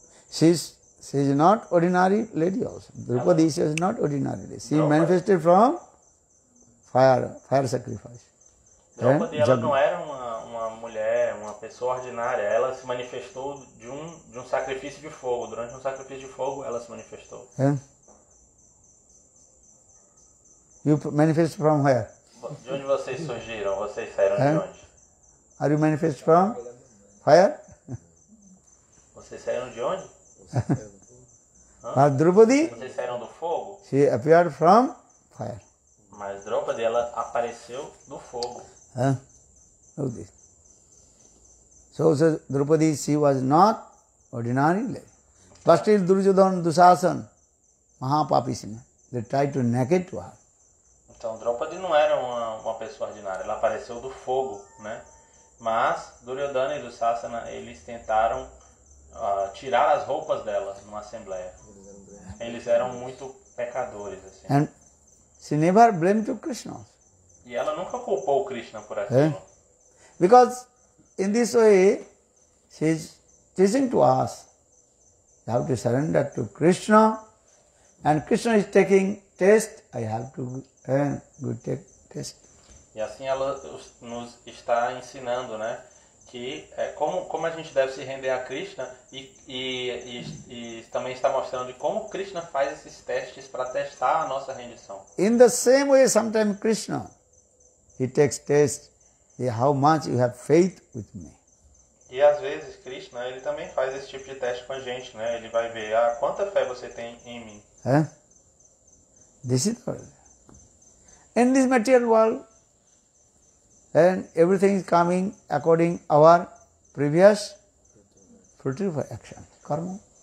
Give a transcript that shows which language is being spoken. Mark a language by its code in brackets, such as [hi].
[en] She is not ordinary lady also. Draupadi is not ordinary lady. She manifested from fire sacrifice. [pt] Draupadi, ela não era uma mulher, uma pessoa ordinária. Ela se manifestou de um sacrifício de fogo. Durante um sacrifício de fogo, ela se manifestou. [en] You manifest from where? [pt] De onde vocês surgiram? Vocês saíram de onde? [en] Are you manifest from fire? [pt] Vocês saíram de onde? Mas Draupadi? Vocês saíram do fogo? [en] She appeared from fire. [pt] Mas Draupadi, ela apareceu do fogo. [en] So Draupadi, she was not ordinary lady. But still Duryodhana, Dushasana, Mahapapisina, they tried to naked to her. [pt] Então Draupadi não era uma pessoa ordinária, ela apareceu do fogo, né? Mas Duryodhana e Dushasana, eles tentaram tirar as roupas dela numa assembleia. Eles eram muito pecadores, assim. [en] And she never blamed to Krishna. [pt] E ela nunca culpou o Krishna por aquilo. [en] Because in this way, she is teaching to us, you have to surrender to Krishna, and Krishna is taking test, I have to go take test. [pt] E assim ela nos está ensinando, né, que como a gente deve se render a Krishna, e também está mostrando como Krishna faz esses testes para testar a nossa rendição. [en] In the same way, sometimes Krishna, he takes test, how much you have faith with me. [pt] E às vezes Krishna, ele também faz esse tipo de teste com a gente, né? Ele vai ver quanta fé você tem em mim. [en] This is all. In this material world, and everything is coming according our previous fruitful action, karma.